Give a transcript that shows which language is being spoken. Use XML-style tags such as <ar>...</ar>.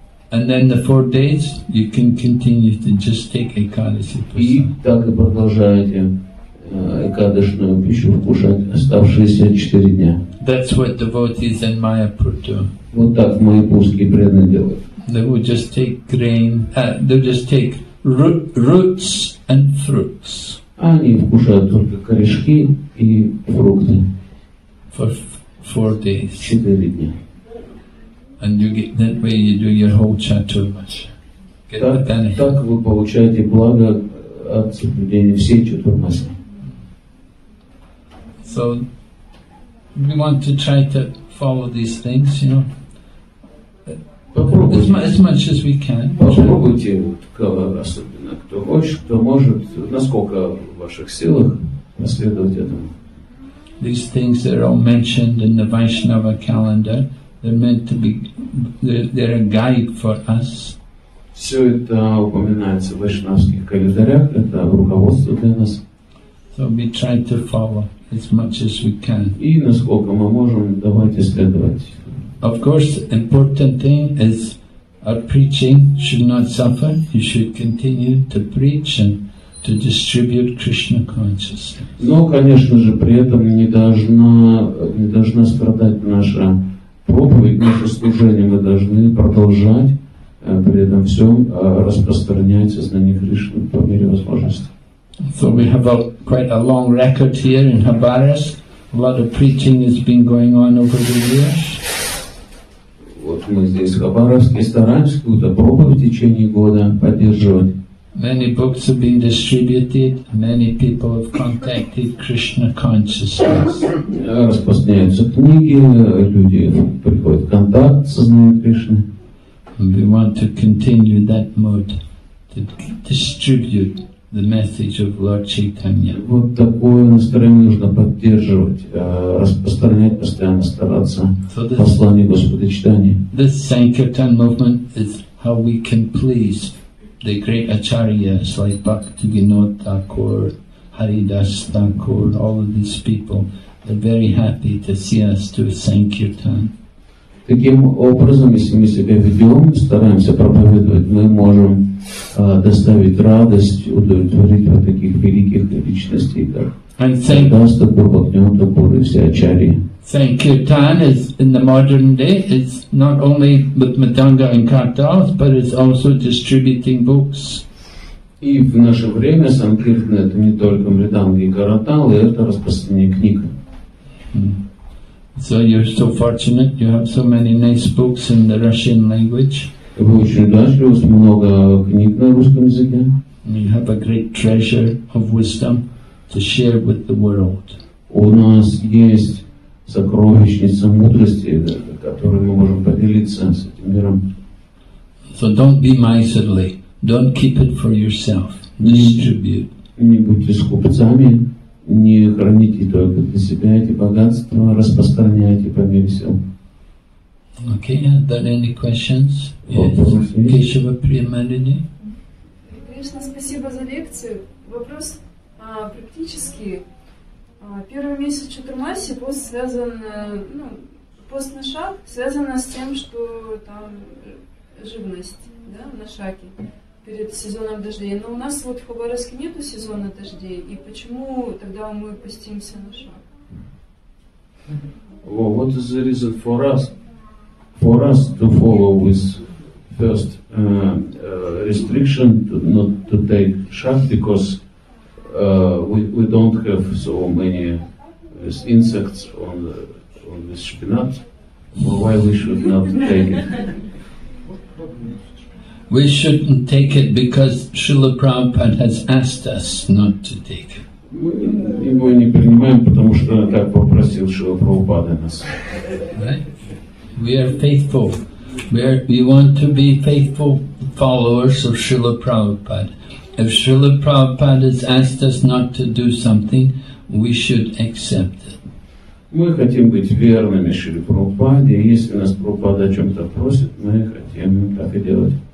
<en>And then the 4 days, you can continue to just take Ekadasi.</en> <ru>И так и продолжаете Экадашную пищу кушать оставшиеся 4 дня.</ru> <en>That's what devotees in Mayapur do.</en> <ru>Вот так майяпурские преданные делают.</ru> <en>They will just take grain, they'll just take roots and fruits.</en> <ru>Они кушают только корешки и фрукты.</ru> <en>For 4 days.</en> <ru>4 дня.</ru> <en>And you get, that way you do your whole Chaturmasya. Get</en> <ru>так,</ru> <en>the benefit.</en> <ru>Так вы получаете благо от соблюдения всей Чатурмасы.</ru> <en>So we want to try to follow these things, you know, as much as we can.</en> <ru>Попробуйте, особенно кто хочет, кто может, насколько в ваших силах следовать этому.</ru> <en>These things that are all mentioned in the Vaishnava calendar, they're meant to be, they're a guide for us.</en> <ru>Все это упоминается в вайшнавских календарях, это руководство для нас.</ru> <en>So we try to follow as much as we can.</en> <ru>И насколько мы можем, давайте следовать.</ru> <en>Of course, important thing is our preaching should not suffer. You should continue to preach and to distribute Krishna consciousness.</en> <ru>Но, конечно же, при этом не должна страдать наша проповедь, наше служение. Мы должны продолжать при этом всем распространять сознание Кришны по мере возможности.</ru> <en>So we have quite a long record here in Khabarovsk. A lot of preaching has been going on over the years.</en> <ru>Вот мы здесь в Хабаровске стараемся какую-то проповедь в течение года поддерживать.</ru> <en>Many books have been distributed. Many people have contacted Krishna consciousness.</en> <ru>Распространяются книги, люди приходят в контакт с сознанием Кришны.</ru> <en>We want to continue that mode to distribute the message of Lord Chaitanya.</en> <ru>Вот такое настроение нужно поддерживать, распространять постоянно, стараться послание Господа Чайтаньи.</ru> <en>This Sankirtan movement is how we can please the great acharyas like Bhaktivinod Thakur, Haridas Thakur, all of these people. They're very happy to see us do Sankirtan.</en> <ru>Таким образом, если мы себя ведем, стараемся проповедовать, мы можем доставить радость, удовлетворить вот таких великих личностей, как Thakur, Bhaktivinod Thakur и все ачарьи.</ru> <en>Sankirtan is in the modern day, it's not only with Madanga and Kartals, but it's also distributing books.</en> <ru>И в наше время Sankirtan это не только Мриданга и Карталы, это распространение книг.</ru> <en>So you're so fortunate, you have so many nice books in the Russian language.</en> <ru>Вы очень удачливы, у вас много книг на русском языке.</ru> <en>You have a great treasure of wisdom to share with the world.</en> <ru>У нас есть сокровищница мудрости, которую мы можем поделиться с этим миром.</ru> <en>So don't be miserly, don't keep it for yourself, distribute.</en> <ru>Не будьте скупцами. Не храните только для себя эти богатства, распространяйте по мере сил.</ru> <en>Okay, are there any questions?</en> <ru>Вопросы есть? Кешава Приямалини? Конечно, спасибо за лекцию. Вопрос практически. Первый месяц Чатурмаси пост связан, ну, постнашак связано с тем, что там живность, да, на шаке перед сезоном дождей. Но у нас вот в Хабаровске нету сезона дождей, и почему тогда мы постимся на шак?</ru> <en>Well, what is the reason for us? For us to follow with first restriction to not to take shak because we don't have so many insects on this spinach. Why we should not take it? We shouldn't take it because Srila Prabhupada has asked us not to take it.</en> <ru>Мы его не принимаем, потому что он так попросил, чтобы Прабхупада нас.</ru> <en>Right? We are faithful. We want to be faithful followers of Srila Prabhupada. If Srila Prabhupada has asked us not to do something, we should accept it.</en> <ru>Мы хотим быть верными Шриле Прабхупаде, и если нас Прабхупада о чем-то просит, мы хотим так и делать.</ru>